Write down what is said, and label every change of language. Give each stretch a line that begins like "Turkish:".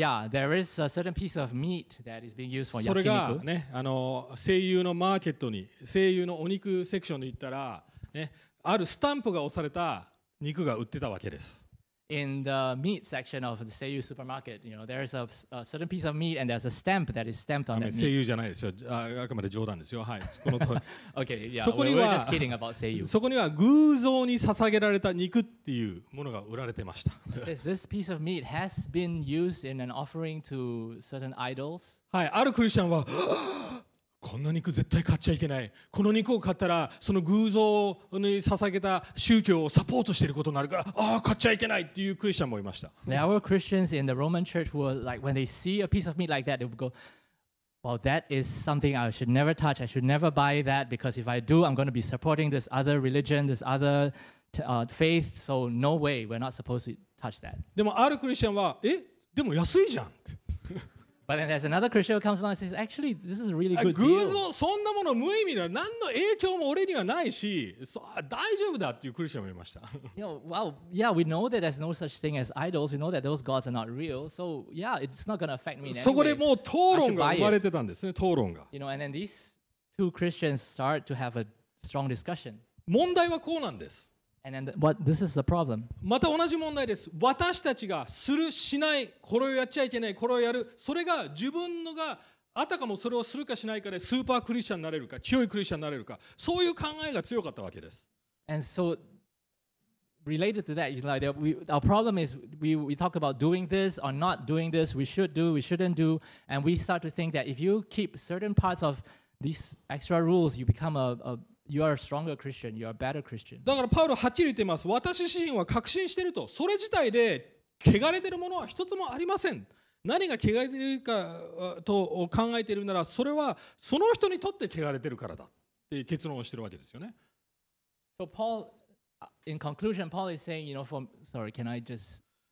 English: There is a certain piece of meat that is being used for
Japanese: yakiniku. それがね、あの声優のマーケットに、声優のお肉セクションに行ったら、ね、あるスタンプが押された肉が売ってたわけです。
English: In the meat section of the 声優 supermarket, you know, there is a certain piece of meat and there's a stamp that is stamped on that meat.
Japanese: 声優じゃないですよ。あくまで冗談ですよ。はい。
English: この通り。 Okay, yeah. We're just kidding about 声優。
Japanese: そこには偶像に捧げられた肉っていうものが売られてました。
English: It says this piece of meat has been used in an offering to certain idols.
Japanese: はい。あるクリスチャンは、こんな肉絶対買っちゃいけない。この肉を買ったら、その偶像に捧げた宗教をサポートしていることになるから、ああ、買っちゃいけないっていうクリスチャンもいました。
English: There were Christians in the Roman church who were like, when they see a piece of meat like that, they would go, well, that is something I should never touch. I should never buy that because if I do, I'm going to be supporting this other religion, this other faith. So no way, we're not supposed to touch that.
Japanese: でもあるクリスチャンは、え、でも安いじゃんって。
English: But then there's another Christian who comes along and says, actually, this is a really good
Japanese: deal. 偶像、そんなもの無意味だ。何の影響も俺にはないし、大丈夫だっていうクリスチャンもいました。
English: You know, well, yeah, we know that there's no such thing as idols. We know that those gods are not real. So, yeah, it's not going to affect me in any way.
Japanese: そこでもう討論が生まれてたんですね、討論が。
English: You know, and then these two Christians start to have a strong discussion.
Japanese: 問題はこうなんです。
English: And then what this is the problem.
Japanese: また同じ問題です。私たちがするしない、これをやっちゃいけない、これをやる、それが自分のがあたかもそれをするかしないかでスーパークリスチャンになれるか、強いクリスチャンになれるか、そういう考えが強かったわけです。
English: And so related to that, you know, our problem is we talk about doing this or not doing this, we should do, we shouldn't do, and we start to think that if you keep certain parts of these extra rules, you become a You are a stronger Christian. You are a better Christian.
Japanese: だからパウロはっきり言ってます。私自身は確信していると。それ自体で汚れているものは一つもありません。何が汚れているかと考えているなら、それはその人にとって汚れているからだって結論をしているわけですよね。
English: So Paul, in conclusion, Paul is saying, you know, can I just?